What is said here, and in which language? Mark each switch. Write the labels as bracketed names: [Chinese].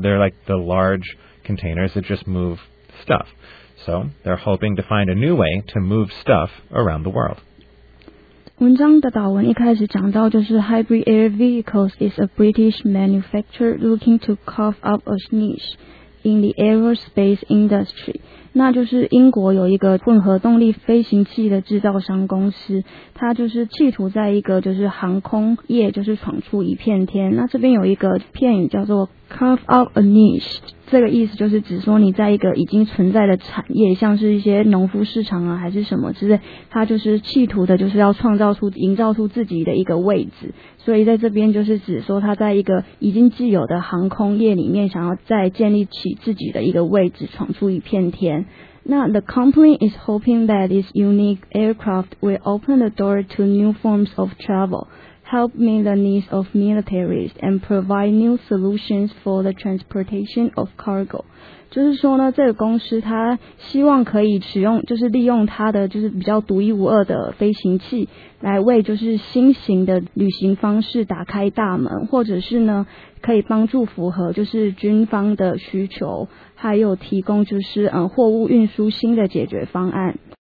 [English] They're like the large containers that just move stuff. So they're hoping to find a new way to move stuff around the world. [Chinese] 文章的导文一开始讲到，就是 [English] Hybrid Air Vehicles is a British manufacturer looking to carve up a niche in the aerospace industry. [Chinese] 那就是英国有一个混合动力飞行器的制造商公司，它就是企图在一个就是航空业就是闯出一片天。那这边有一个片语叫做 carve up a niche， 这个意思就是指说你在一个已经存在的产业，像是一些农夫市场啊还是什么之类，它就是企图的就是要创造出营造出自己的一个位置。所以在这边就是指说它在一个已经既有的航空业里面想要再建立起自己的一个位置，闯出一片天。 [English] Now, the company is hoping that its unique aircraft will open the door to new forms of travel, help meet the needs of militaries, and provide new solutions for the transportation of cargo. [Chinese] 就是说呢，这个公司它希望可以使用，就是利用它的就是比较独一无二的飞行器，来为就是新型的旅行方式打开大门，或者是呢，可以帮助符合就是军方的需求，还有提供就是货物运输新的解决方案。